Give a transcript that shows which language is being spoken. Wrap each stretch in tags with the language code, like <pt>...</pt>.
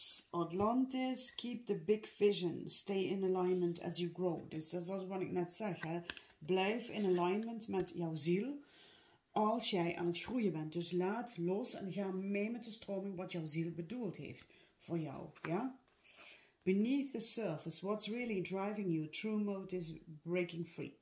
<en>Atlantis, keep the big vision, stay in alignment as you grow.</en> <nl>Dus dat is wat ik net zeg, hè. Blijf in alignment met jouw ziel als jij aan het groeien bent. Dus laat los en ga mee met de stroming wat jouw ziel bedoeld heeft voor jou. Ja?</nl> <en>Beneath the surface, what's really driving you? True mode is breaking free.</en>